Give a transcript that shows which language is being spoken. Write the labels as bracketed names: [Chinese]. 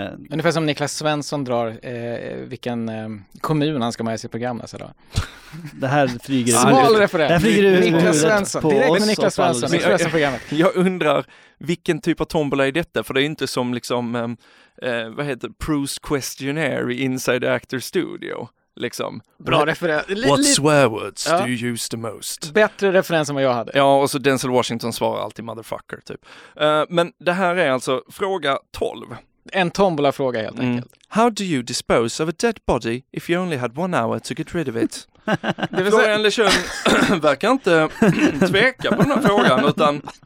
[Swedish] Ungefär som Niklas Svensson drar vilken kommun han ska med i sitt program. Alltså då. Det här flyger ut. Smal referens. Det här flyger Niklas Svensson. Direkt med Niklas Svensson. Men jag undrar, vilken typ av tombola är detta? För det är inte som liksom, vad heter Proust Questionnaire i Inside the Actor's Studio. Liksom. Bra referens. [English] What swear words do you use the most? [Swedish] Bättre referens än vad jag hade. Ja, och så Denzel Washington svarar alltid motherfucker typ. Men det här är alltså fråga 12. En tombola fråga helt enkelt. [English] How do you dispose of a dead body if you only had one hour to get rid of it? [Swedish] Florian Lejeune verkar inte tveka på den här frågan utan